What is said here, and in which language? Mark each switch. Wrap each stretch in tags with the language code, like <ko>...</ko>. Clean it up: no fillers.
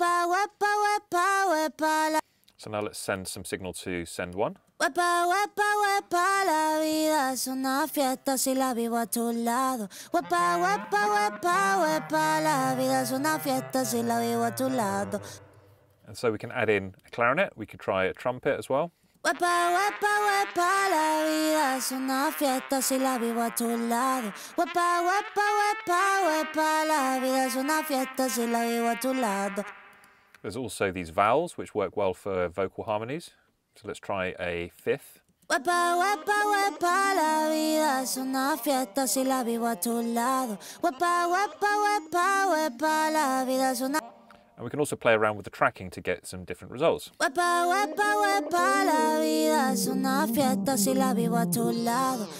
<en>So now let's send some signal to send one.</en> <es>Wepa, wepa, wepa, la vida es una fiesta si la vivo a tu lado. Wepa, wepa, wepa, wepa, la vida es una fiesta si la vivo a tu lado.</es> <en>And so we can add in a clarinet. We could try a trumpet as well.</en> <es>Wepa, wepa, wepa, la vida es una fiesta si la vivo a tu lado. Wepa, wepa, wepa, wepa, la vida es una fiesta si la vivo a tu lado.</es> <en>There's also these vowels which work well for vocal harmonies. So let's try a fifth.</en> <es>Wepa, wepa, wepa, la vida es una fiesta si la vivo a tu lado. Wepa, wepa, wepa, wepa, la vida es una...</es> <en>And we can also play around with the tracking to get some different results.</en> <es>Wepa, wepa, wepa, la vida es una fiesta si la vivo a tu lado.</es>